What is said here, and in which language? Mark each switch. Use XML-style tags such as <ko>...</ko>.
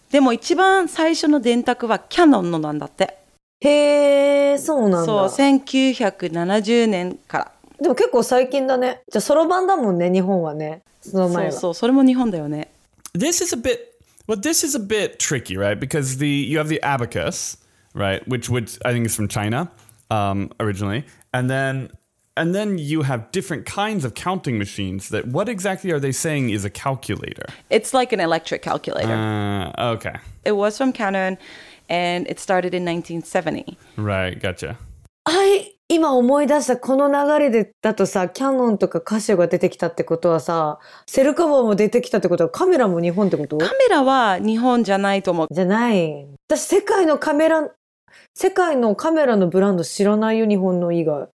<ja>でも一番最初の電卓はキャノンのなんだって。へー、そうなんだ。そう、1970年から。でも結構最近だね。じゃあソロ版だもんね、日本はね。その前は。そうそう、それも日本だよね。</ja> <en>This is a bit, well, this is a bit tricky, right? Because the, you have the abacus... Right, which I think is from China, originally. And then you have different kinds of counting machines. That what exactly are they saying is a calculator? It's like an electric calculator. Okay. It was from Canon, and it started in 1970. Right, gotcha.</en> <ja>I 今思い出したこの流れでだとさ、キャノンとかカシオが出てきたってことはさ、セルカ棒も出てきたってことはカメラも日本ってこと？カメラは日本じゃないと思う。じゃない。私世界のカメラ、世界のカメラのブランド知らないよ、日本の以外。</ja>